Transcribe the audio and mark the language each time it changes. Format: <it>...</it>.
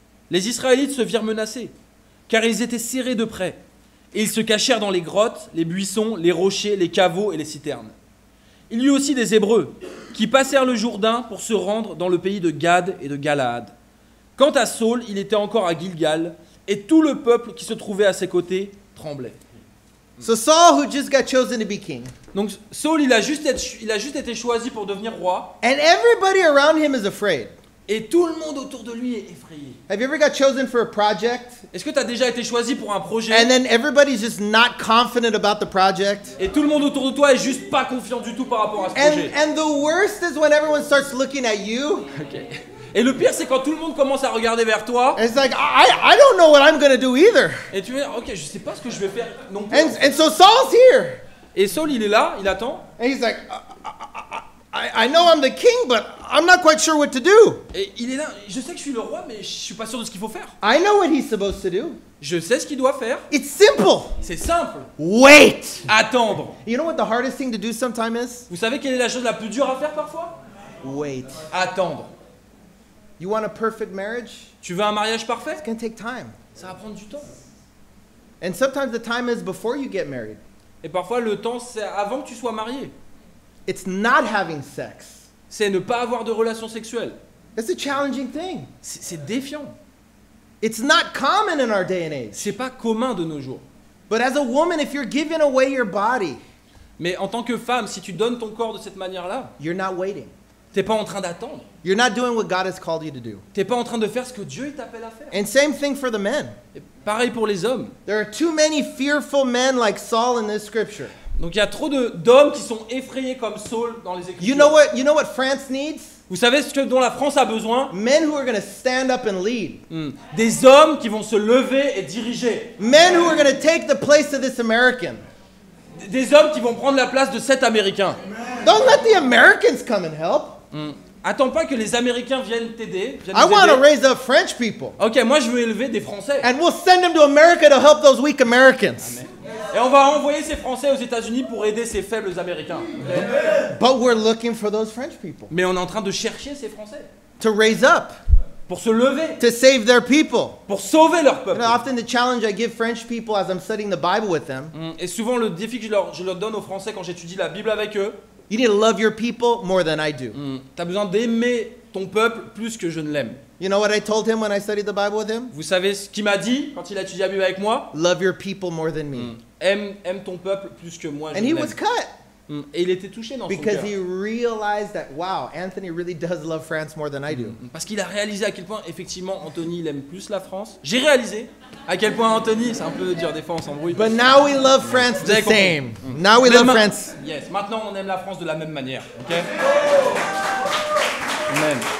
<fr>Les Israélites se virent menacés, car ils étaient serrés de près, et ils se cachèrent dans les grottes, les buissons, les rochers, les caveaux et les citernes. Il y eut aussi des Hébreux qui passèrent le Jourdain pour se rendre dans le pays de Gad et de Galaad. Quant à Saul, il était encore à Gilgal, et tout le peuple qui se trouvait à ses côtés tremblait.</fr> <en>So Saul, who just got chosen to be king.</en> <fr>Donc Saul, il a juste été choisi pour devenir roi.</fr> <en>And everybody around him is afraid.</en> <fr>Et tout le monde autour de lui est effrayé.</fr> <en>Have you ever got chosen for a project?</en> <fr>Est-ce que tu as déjà été choisi pour un projet?</fr> <en>And then everybody's just not confident about the project.</en> <fr>Et tout le monde autour de toi est juste pas confiant du tout par rapport à ce projet.</fr> <en>And the worst is when everyone starts looking at you. Okay.</en> <fr>Et le pire, c'est quand tout le monde commence à regarder vers toi.</fr> <en>It's like, I don't know what I'm gonna do either.</en> <fr>Et tu dis, ok, je sais pas ce que je vais faire non plus.</fr> <en>And so Saul's here.</en> <fr>Et Saul, il est là, il attend.</fr> <en>And he's like, I know I'm the king, but I'm not quite sure what to do.</en> <fr>Et il est là, je sais que je suis le roi, mais je suis pas sûr de ce qu'il faut faire.</fr> <en>I know what he's supposed to do.</en> <fr>Je sais ce qu'il doit faire.</fr> <en>It's simple.</en> <fr>C'est simple.</fr> <en>Wait.</en> <fr>Attendre.</fr> <en>You know what the hardest thing to do sometimes is?</en> <fr>Vous savez quelle est la chose la plus dure à faire parfois?</fr> <en>Wait.</en> <fr>Attendre.</fr> <en>You want a perfect marriage?</en> <fr>Tu veux un mariage parfait?</fr> <en>It's gonna take time.</en> <fr>Ça va prendre du temps.</fr> <en>And sometimes the time is before you get married.</en> <fr>Et parfois le temps c'est avant que tu sois marié.</fr> <en>It's not having sex.</en> <fr>C'est ne pas avoir de relations sexuelles.</fr> <en>It's a challenging thing.</en> <fr>C'est défiant.</fr> <en>It's not common in our day and age.</en> <fr>C'est pas commun de nos jours.</fr> <en>But as a woman, if you're giving away your body,</en> <fr>mais en tant que femme, si tu donnes ton corps de cette manière-là,</fr> <en>you're not waiting.</en> <fr>T'es pas en train d'attendre.</fr> <en>You're not doing what God has called you to do.</en> <fr>T'es pas en train de faire ce que Dieu t'appelle à faire.</fr> <en>And same thing for the men.</en> <fr>Et pareil pour les hommes.</fr> <en>There are too many fearful men like Saul in this scripture.</en> <fr>Donc il y a trop d'hommes qui sont effrayés comme Saul dans les écritures.</fr> <en>You know what France needs?</en> <fr>Vous savez ce dont la France a besoin?</fr> <en>Men who are going to stand up and lead.</en> <fr>Des hommes qui vont se lever et diriger.</fr> <en>Men who are going to take the place of this American.</en> <fr>Des hommes qui vont prendre la place de cet Américain.</fr> <en>Don't let the Americans come and help.</en> <fr>Attends pas que les Américains viennent t'aider.</fr> <en>I want to raise up French people.</en> <fr>Ok, moi je veux élever des Français.</fr> <en>And we'll send them to America to help those weak Americans.</en> <fr>Et on va envoyer ces Français aux États-Unis pour aider ces faibles Américains.</fr> <en>But we're looking for those French people.</en> <fr>Mais on est en train de chercher ces Français.</fr> <en>To raise up.</en> <fr>Pour se lever.</fr> <en>To save their people.</en> <fr>Pour sauver leur peuple.</fr> <en>You know, often the challenge I give French people as I'm studying the Bible with them.</en> <fr>Et souvent le défi que je leur donne aux Français quand j'étudie la Bible avec eux.</fr> <en>You need to love your people more than I do.</en> <fr>T'as besoin d'aimer ton peuple plus que je ne l'aime.</fr> <en>You know what I told him when I studied the Bible with him?</en> <fr>Vous savez ce qu'il m'a dit quand il a étudié la Bible avec moi?</fr> <en>Love your people more than me.</en> <fr>Aime ton peuple plus que moi.</fr> <en>And he was cut.</en> <fr>Et il était touché dans son cœur.</fr> <en>Because he realized that wow, Anthony really does love France more than I do.</en> <fr>Parce qu'il a réalisé à quel point effectivement Anthony il aime plus la France. J'ai réalisé à quel point Anthony, c'est un peu dur des fois on s'embrouille.</fr> <en>But now we love France the same. Now we love France.</en> <fr>Yes, maintenant on aime la France de la même manière, OK? Amen.</fr>